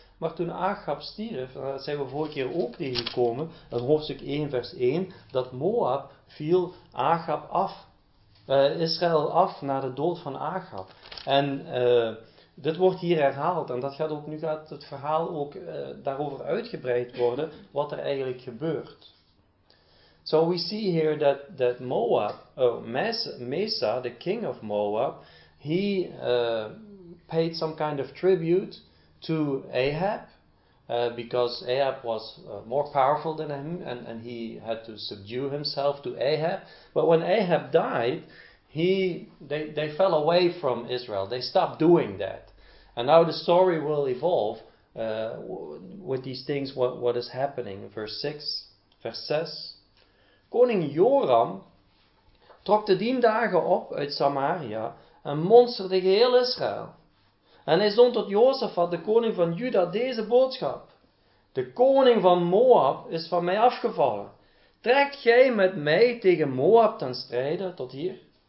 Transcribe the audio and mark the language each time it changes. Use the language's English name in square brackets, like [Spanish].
[Dutch] Maar toen Achab stierf, dat zijn we vorige keer ook tegengekomen, in hoofdstuk 1 vers 1, dat Moab viel Achab af, Israël af na de dood van Achab. En dit wordt hier herhaald en dat gaat ook nu gaat het verhaal ook daarover uitgebreid worden wat er eigenlijk gebeurt. [English] So we see here that Moab, Mesa, the king of Moab, he paid some kind of tribute to Ahab because Ahab was more powerful than him and he had to subdue himself to Ahab. But when Ahab died, they fell away from Israel. They stopped doing that. And now the story will evolve with these things, what is happening. Verse 6, vers 6. [Dutch] Koning Joram trok de 10 dagen op uit Samaria en monsterde geheel Israël. En hij zond tot Jozefat, de koning van Juda, deze boodschap. De koning van Moab is van mij afgevallen. Trek jij met mij tegen Moab ten strijde tot hier?